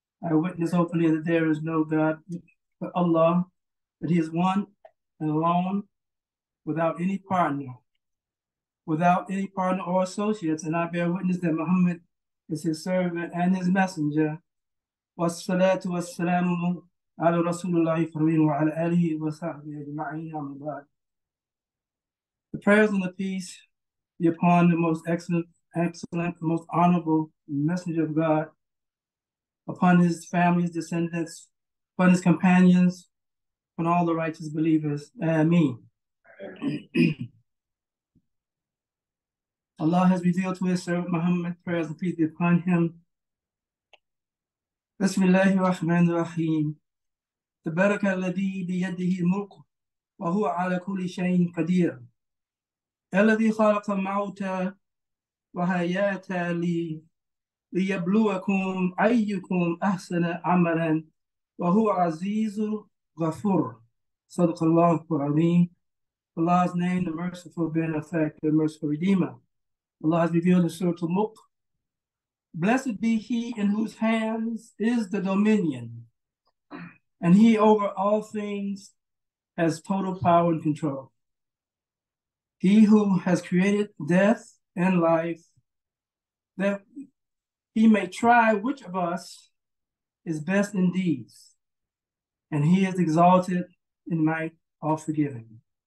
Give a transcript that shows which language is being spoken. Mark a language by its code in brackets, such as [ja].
[en] I witness openly that there is no God but Allah, that He is one and alone, without any partner, or associates, and I bear witness that Muhammad is His servant and His messenger. [ar] والصلاة والسلام على رسول الله الكريم وعلى آله وصحبه أجمعين أما بعد. [en] The prayers and the peace be upon the most excellent, the most honorable messenger of God, upon his family's descendants, upon his companions, upon all the righteous believers. Ameen. Allah has revealed to his servant Muhammad, prayers and peace be upon him. [ar] بسم الله الرحمن الرحيم تبارك الذي بيده الملك وهو على كل شيء قدير الذي خلق الموت والحياة ليبلوكم أيكم أحسن عملا وهو عزيز غفور صدق الله العظيم. [en] Allah's name, the merciful benefactor, the merciful redeemer. Allah has revealed the surah al-Mulk. Blessed be he in whose hands is the dominion, and he over all things has total power and control. He who has created death and life, that he may try which of us is best in deeds, and he is exalted in might of forgiving.